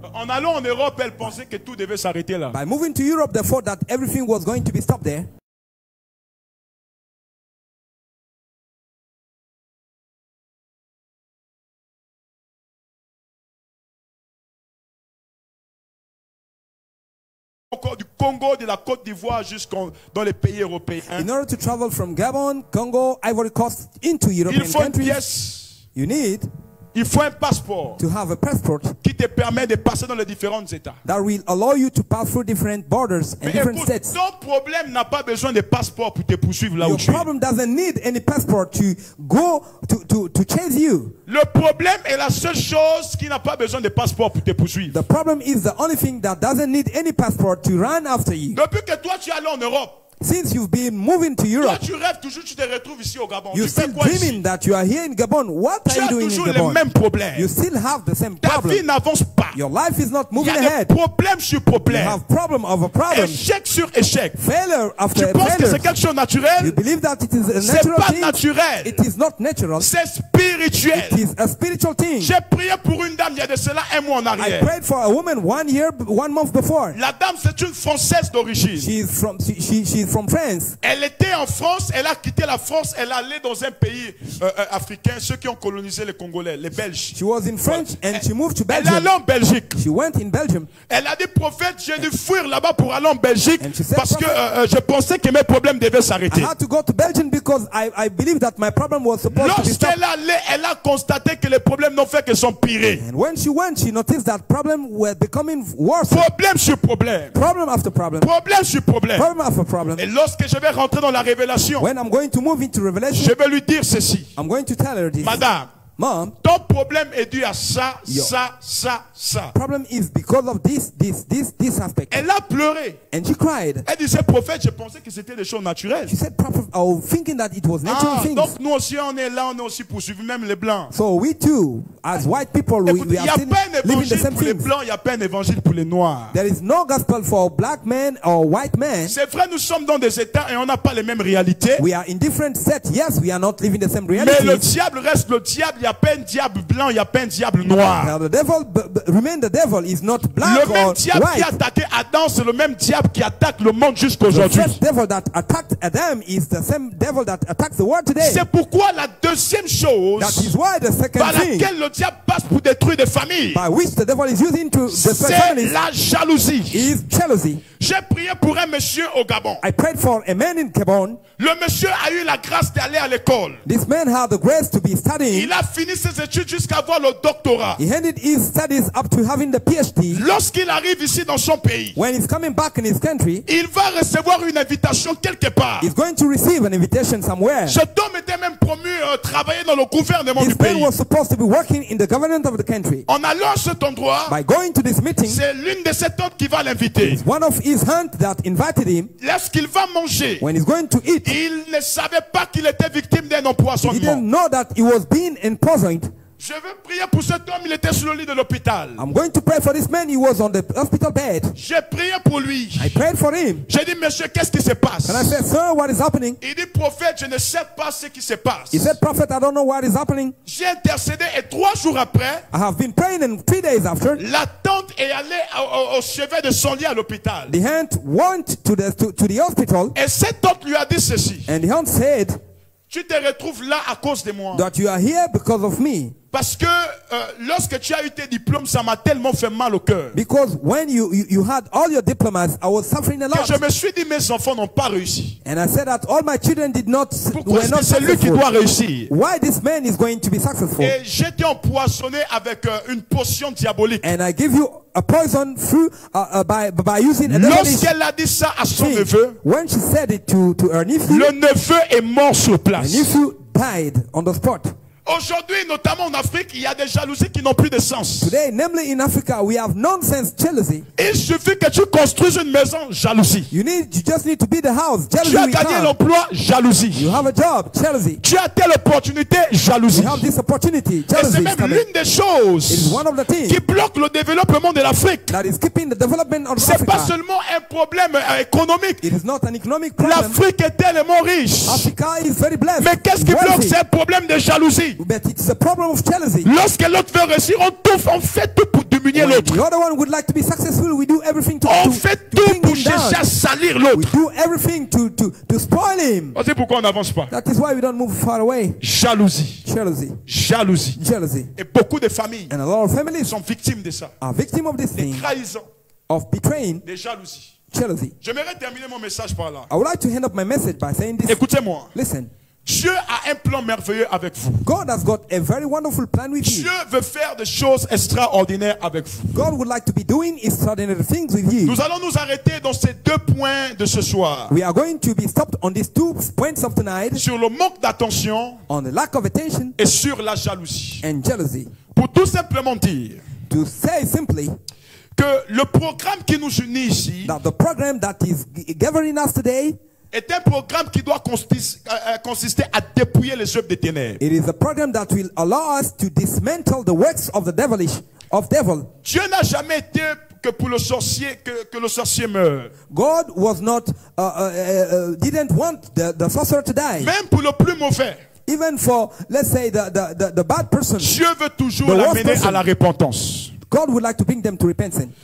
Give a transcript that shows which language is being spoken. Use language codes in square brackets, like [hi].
[fr] En allant en Europe, elles pensaient que tout devait s'arrêter là. [en] By moving to Europe, they thought that everything was going to be stopped there. [fr] Du Congo, de la Côte d'Ivoire jusqu'en dans les pays européens. [en] In order to travel from Gabon, Congo, Ivory Coast into European countries, you need. [fr] Il faut un passeport. [en] To have a passport. [fr] Qui te permet de passer dans les différents états. [en] That will allow you to pass through different borders and [fr] mais [en] different [fr] écoute, [en] states. [fr] Ton problème n'a pas besoin de passeport pour te poursuivre là [en] your [fr] où tu es. [en] Your problem doesn't need any passport to go to chase you. [fr] Le problème est la seule chose qui n'a pas besoin de passeport pour te poursuivre. [en] The problem is the only thing that doesn't need any passport to run after you. [fr] Depuis que toi tu es allé en Europe. [en] Since you've been moving to Europe, [fr] toi, tu rêves toujours, tu te retrouves ici au Gabon. [en] You're still dreaming [fr] ici? [en] That you are here in Gabon. What [fr] tu [en] are you doing [fr] toujours [en] in Gabon? [fr] Les mêmes problèmes. [en] You still have the same [fr] ta [en] problem. [fr] Vie n'avance pas. [en] Your life is not moving [fr] y a des [en] ahead. [fr] Problèmes sur problèmes. [en] You have problem over problem. [fr] Échec sur échec. [en] Failure after [fr] tu penses [en] failure. [fr] Que c'est quelque chose de naturel? [en] You believe that it is a [fr] c'est [en] natural [fr] pas [en] thing. [fr] Naturel. [en] It is not natural. [fr] C'est spirituel. [en] It is a spiritual thing. [fr] J'ai prié pour une dame il y a de cela un mois en arrière. [en] I prayed for a woman 1 year, 1 month before. [fr] La dame c'est une Française d'origine. [en] From France. [fr] Elle était en France, elle a quitté la France, elle allait dans un pays africain, ceux qui ont colonisé les Congolais, les Belges. [en] She was in France and she moved to Belgium. [fr] Elle allait en Belgique. [en] She went in Belgium. [fr] Elle a dit prophète, j'ai dû fuir là-bas pour aller en Belgique [en] and she said, [fr] parce que je pensais que mes problèmes devaient s'arrêter. [en] I had to go to Belgium because I believed that my problem was supposed [fr] lorsqu'elle [en] to be stopped. [fr] Lorsqu'elle allait, elle a constaté que les problèmes n'ont fait que s'empirer. [en] And when she went, she noticed that problems were becoming worse. [fr] Problème sur problème. [en] Problem after problem. [fr] Problème sur problème. [en] Problem after problem. [fr] Et lorsque je vais rentrer dans la révélation, [en] when I'm going to move into revelation, [fr] je vais lui dire ceci. [en] I'm going to tell her this. [fr] Madame, [en] Mom, [fr] ton problème est dû à ça, ça, ça, ça. [en] Problem is because of this, this, this, this aspect. [fr] Elle a pleuré. [en] And she cried. [fr] Elle disait, prophète, je pensais que c'était des choses naturelles. [en] She said, prophet, I was thinking that it was natural things. [fr] Donc nous aussi on est là, on est aussi poursuivis, même les blancs. [en] So we too, as white people, we are seen living the same things. [fr] Blancs, il y a pas un évangile pour les noirs. [en] There is no gospel for black men or white men. [fr] C'est vrai, nous sommes dans des états et on n'a pas les mêmes réalités. [en] We are in different sets. Yes, we are not living the same reality. [fr] Mais le diable reste le diable. Il y a pas un diable blanc, il y a pas un diable noir. [en] Now the devil remain the devil is not black or white. [fr] Le même diable Qui attaquait Adam, c'est le même diable qui attaque le monde jusqu'aujourd'hui. [en] The devil that attacked Adam is the same devil that attacks the world today. [fr] C'est pourquoi la deuxième chose, [en] that is why the second [fr] par laquelle [en] thing, [fr] le diable passe pour détruire des familles, [en] by which the devil is using to destroy families, [fr] c'est la jalousie. [en] Is jealousy. [fr] J'ai prié pour un monsieur au Gabon. [en] I prayed for a man in Gabon. [fr] Le monsieur a eu la grâce d'aller à l'école. [en] This man had the grace to be studying. [fr] Il a fini ses études jusqu'à avoir le doctorat. [en] He ended his studies up to having the PhD. [fr] Lorsqu'il arrive ici dans son pays, [en] when he's coming back in his country, [fr] il va recevoir une invitation quelque part. [en] He's going to receive an invitation somewhere. [fr] Cet homme était même promu travailler dans le gouvernement [en] this [fr] du pays. [en] He was supposed to be working in the government of the country. [fr] En allant à cet endroit, [en] by going to this meeting, [fr] c'est l'une de cet homme qui va l'inviter. [en] It's one of his hunt that invited him. [fr] Lorsqu'il va manger, [en] when he's going to eat, [fr] il ne savait pas qu'il était victime d'un empoisonnement. [en] He didn't know that he was being empoisoned. [fr] Je vais prier pour cet homme, il était sur le lit de l'hôpital. [en] I'm going to pray for this man, he was on the hospital bed. [fr] J'ai prié pour lui. [en] I prayed for him. [fr] J'ai dit, monsieur, qu'est-ce qui se passe? [en] And I said, sir, what is happening? [fr] Il dit, prophète, je ne sais pas ce qui se passe. [en] He said, prophet, I don't know what is happening. [fr] J'ai intercédé et trois jours après, [en] I have been praying and 3 days after, [fr] la tante est allée au chevet de son lit à l'hôpital. [en] The aunt went to the hospital. [fr] Et cette tante lui a dit ceci. [en] And the aunt said, [fr] tu te retrouves là à cause de moi. [en] That you are here because of me. [fr] Parce que lorsque tu as eu tes diplômes, ça m'a tellement fait mal au cœur. [en] Because when you had all your diplomas, I was suffering a lot. [fr] Que je me suis dit, mes enfants n'ont pas réussi. [en] And I said that all my children did not [fr] pourquoi [en] were not successful. [fr] C'est lui qui doit réussir. [en] Why this man is going to be successful? [fr] Et j'étais empoisonné avec une potion diabolique. [en] And I give you a poison through by using a [fr] lorsqu'elle a dit ça à son [en] thing, [fr] neveu, [en] when she said it to her nephew, [fr] le neveu est mort sur place. [en] The nephew died on the spot. [fr] Aujourd'hui, notamment en Afrique, il y a des jalousies qui n'ont plus de sens. [en] Today, namely in Africa, we have nonsense jealousy. [fr] Il suffit que tu construises une maison, jalousie. [en] You just need to build a house, jealousy. [fr] Tu as gagné l'emploi, jalousie. [en] You have a job, jealousy. [fr] Tu as telle opportunité, jalousie. [en] You have this opportunity, jealousy. [fr] Et c'est même l'une des choses [en] one of the things [fr] qui bloque le développement de l'Afrique. [en] That is keeping the development of [fr] c'est [en] Africa. [fr] Pas seulement un problème économique. [en] It is not an economic problem. [fr] L'Afrique est tellement riche. [en] Africa is very blessed. [fr] Mais qu'est-ce qui bloque ce problème de jalousie? [en] But it's a problem of jealousy. [fr] Lorsque l'autre veut réussir, on fait tout pour diminuer l'autre. [en] When the other one would like to be successful, we do everything to [fr] on fait tout pour chercher à salir l'autre. [en] We do everything to spoil him. [fr] Oh, c'est pourquoi on n'avance pas. [en] That is why we don't move far away. [fr] Jalousie. [en] Jealousy. [fr] Jalousie. [en] Jealousy. [fr] Et beaucoup de familles [en] and a lot of families [fr] sont victimes de ça. [en] Are victim of this thing. [fr] Des trahisons. [en] Of betraying. [fr] Des jalousies. [en] Jealousy. [fr] J'aimerais terminer mon message par là. [en] I would like to end up my message by saying this. [fr] Écoutez-moi. [en] Listen. [fr] Dieu a un plan merveilleux avec vous. [en] God has got a very wonderful plan with [fr] Dieu Dieu veut faire des choses extraordinaires avec vous. [en] God would like to be doing extraordinary things with you. [fr] Nous allons nous arrêter dans ces deux points de ce soir. [en] We are going to be stopped on these two points of tonight. [fr] Sur le manque d'attention, [en] on the lack of attention, [fr] et sur la jalousie, [en] and jealousy. [fr] Pour tout simplement dire, [en] to say simply, [fr] que le programme qui nous unit ici, [en] that the program that is governing us today, [fr] est un programme qui doit consister à dépouiller les œuvres des ténèbres. [en] It is a program that will allow us to dismantle the works of the devilish of devil. [fr] Dieu n'a jamais été que pour le sorcier que le sorcier meure. [en] God was not didn't want the sorcerer to die. [fr] Même pour le plus mauvais. [en] Even for let's say the bad person. [fr] Dieu veut toujours l'amener à la repentance. [en] God would like to bring them to repentance.